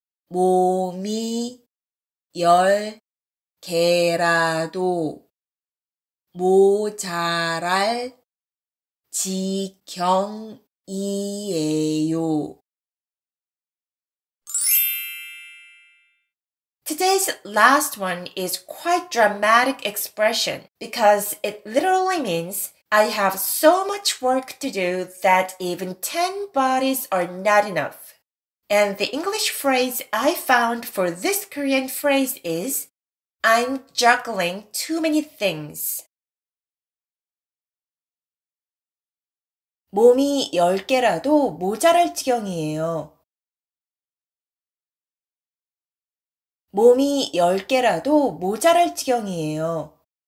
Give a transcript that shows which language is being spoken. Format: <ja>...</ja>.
<ko>몸이 열 개라도 모자랄 지경이에요.</ko> <en>Today's last one is quite a dramatic expression because it literally means I have so much work to do that even 10 bodies are not enough. And the English phrase I found for this Korean phrase is I'm juggling too many things.</en> <ko>몸이 열 개라도 모자랄 지경이에요. 몸이 열 개라도 모자랄 지경이에요.</ko>